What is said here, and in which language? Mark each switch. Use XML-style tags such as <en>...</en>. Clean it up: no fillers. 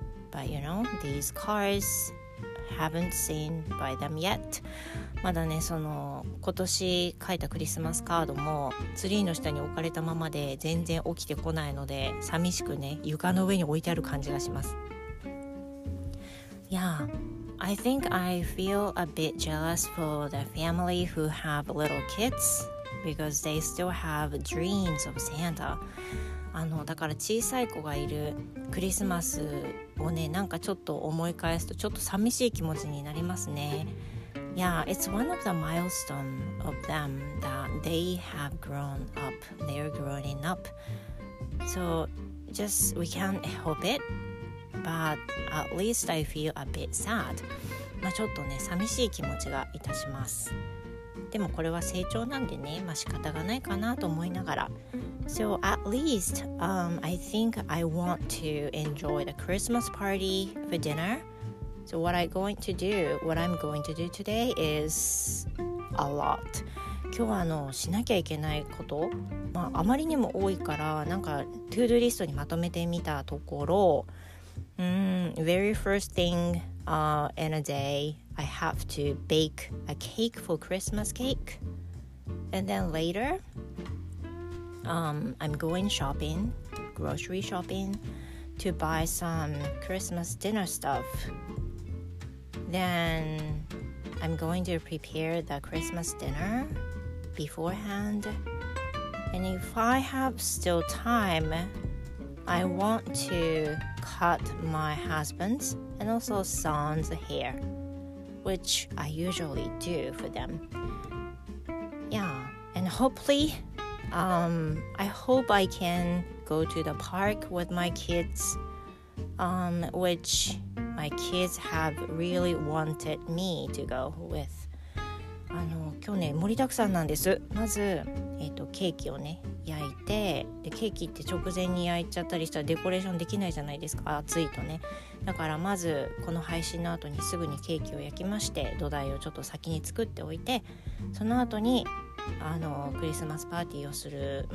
<en>But you know, these cards... haven't seen by them yet.</en> <ja>まだね、その今年書いたクリスマスカードもツリーの下に置かれたままで全然起きてこないので、寂しくね、床の上に置いてある感じがします。</ja> <en>Yeah, I think I feel a bit jealous for the family who have little kids because they still have dreams of Santa.</en> <ja>だから小さい子がいるクリスマスをね、なんかちょっと思い返すとちょっと寂しい気持ちになりますね。</ja> <en>Yeah, it's one of the milestone of them that they have grown up. They're growing up. So just we can't help it, but at least I feel a bit sad.</en> <ja>ちょっとね、寂しい気持ちがいたします。でもこれは成長なんでね、仕方がないかなと思いながら。</ja> <en>So at least, I think I want to enjoy the Christmas party for dinner. So what I'm going to do today is a lot.</en> <ja>今日はしなきゃいけないこと、あまりにも多いから、なんか to do リストにまとめてみたところ、</ja> <en>very first thing in a dayI have to bake a cake for Christmas cake. And then later, I'm going shopping, grocery shopping, to buy some Christmas dinner stuff. Then I'm going to prepare the Christmas dinner beforehand. And if I have still time, I want to cut my husband's and also son's hair. Which I usually do for them. Yeah, and hopefully, I hope I can go to the park with my kids, which my kids have really wanted me to go with.</en> <ja>今日ね、盛りだくさんなんです。まず、ケーキをね、焼いて、で、ケーキって直前に焼いちゃったりしたらデコレーションできないじゃないですか、暑いとね。だからまずこの配信の後にすぐにケーキを焼きまして、土台をちょっと先に作っておいて、その後にクリスマスパーティーをする。</ja>